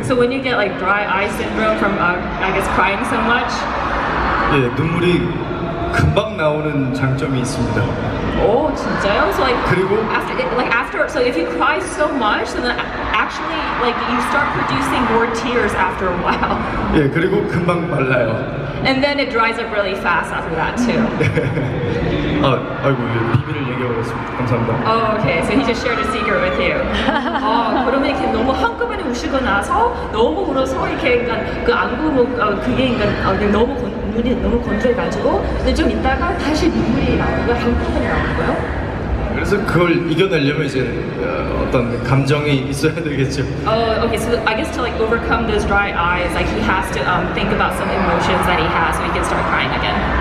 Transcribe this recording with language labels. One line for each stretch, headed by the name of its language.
English: So when you get like dry eye syndrome from I guess crying so much.
Korean: 예, 눈물이 금방 나오는 장점이 있습니다. 오, 진짜요?
English: So like
Korean: 그리고
English: after so if you cry so much, then actually like you start producing more tears after a while.
Korean: 예, 그리고 금방 말라요.
English: And then it dries up really fast after that too.
Korean: 아이고, 예, 비밀을 얘기하겠습니다. 감사합니다.
English: Oh, okay, so he just shared a secret with you.
Korean: 그러면 이렇게 너무 한꺼번에 우시고 나서 너무 울어서 이렇게 약간 그 안구 그게 약간 너무 눈이 너무 건조해가지고 근데 좀 이따가 다시 눈물이 나오고 한꺼번에 나오고요. 그래서 그걸 이겨내려면 이제 어떤 감정이 있어야 되겠죠.
English: Okay, so I guess to like overcome those dry eyes, like he has to think about some emotions that he has, so he can start crying again.